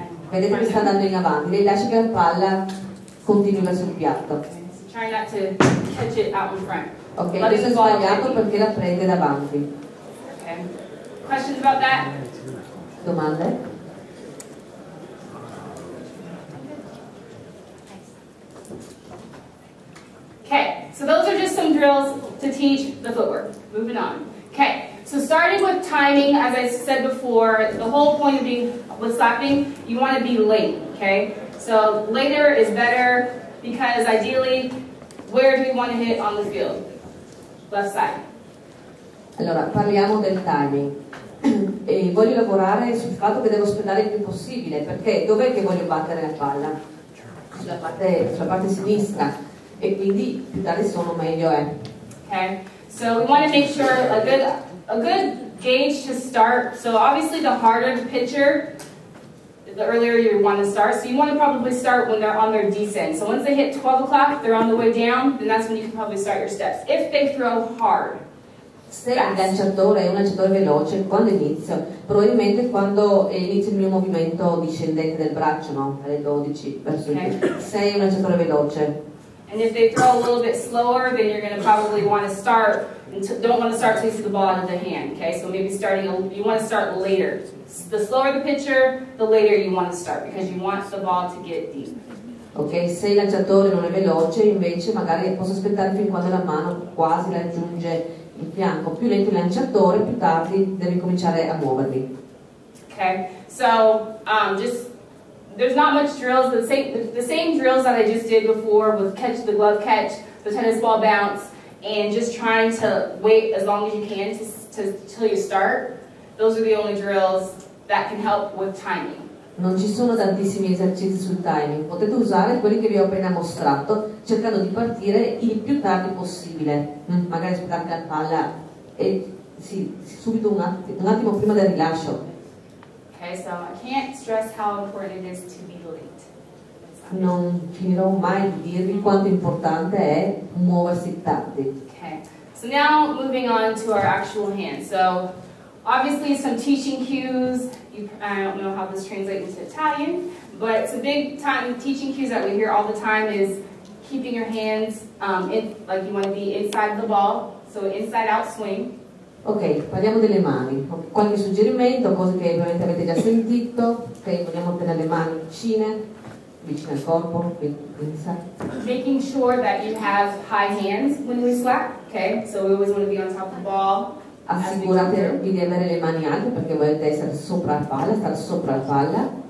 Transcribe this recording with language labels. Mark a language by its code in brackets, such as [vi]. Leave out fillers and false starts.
[it] Vedete che sta andando in avanti, lei lascia che la palla continui verso il piatto. [en] Okay. So try not to catch it out in front. [it] Ok, questo è sbagliato perché la prende davanti. [en] Okay. Questions about that? [it] Domande? [en] Okay, so those are just some drills to teach the footwork. Moving on. Okay, so starting with timing, as I said before, the whole point of being with slapping, you want to be late, okay? So later is better because ideally, where do you want to hit on the field? [it] Allora, parliamo del timing. E voglio lavorare sul fatto che devo spendere il più possibile, perché dov'è che voglio battere la palla? Sulla parte sinistra. E quindi più tardi sono, meglio è. [en] Okay. So we want to make sure a good gauge to start. So obviously the harder the pitcher, the earlier you want to start. So you want to probably start when they're on their descent. So once they hit 12 o'clock, they're on the way down, then that's when you can probably start your steps. If they throw hard. [it] Se il lanciatore è un lanciatore veloce, quando inizio? Probabilmente quando inizio il mio movimento discendente del braccio, no? Alle 12, verso il 12. Se è un lanciatore veloce. [en] And if they throw a little bit slower, then you're going to probably want to start, don't want to start to see the ball out of the hand, okay? So maybe you want to start later. The slower the pitcher, the later you want to start, because you want the ball to get deep. [it] Okay, se il lanciatore non è veloce, invece magari posso aspettare fin quando la mano quasi raggiunge il fianco. Più lento il lanciatore, più tardi devi cominciare a muovermi. [en] Okay, so there's not much drills. The same drills that I just did before with catch the glove catch, the tennis ball bounce, and just trying to wait as long as you can till you start. Those are the only drills that can help with timing. [it] Non ci sono tantissimi esercizi sul timing. Potete usare quelli che vi ho appena mostrato, cercando di partire il più tardi possibile. Magari aspettare la palla e sì, subito un attimo prima del rilascio. [en] Okay, so I can't stress how important it is to be late. [it] Non finirò mai di dirvi quanto importante è muoversi tardi. [en] Okay, so now moving on to our actual hand. So obviously some teaching cues, I don't know how this translates into Italian, but some big time teaching cues that we hear all the time is keeping your hands in, like you want to be inside the ball, so inside out swing. [it] Ok, parliamo delle mani. Qualche suggerimento, cose che probabilmente avete già sentito, ok, vogliamo tenere le mani vicine, vicine al corpo, inside. [en] Making sure that you have high hands when we slap, ok, so we always want to be on top of the ball. [it] Assicuratevi di avere le mani alte perché volete essere sopra la palla, stare sopra la palla.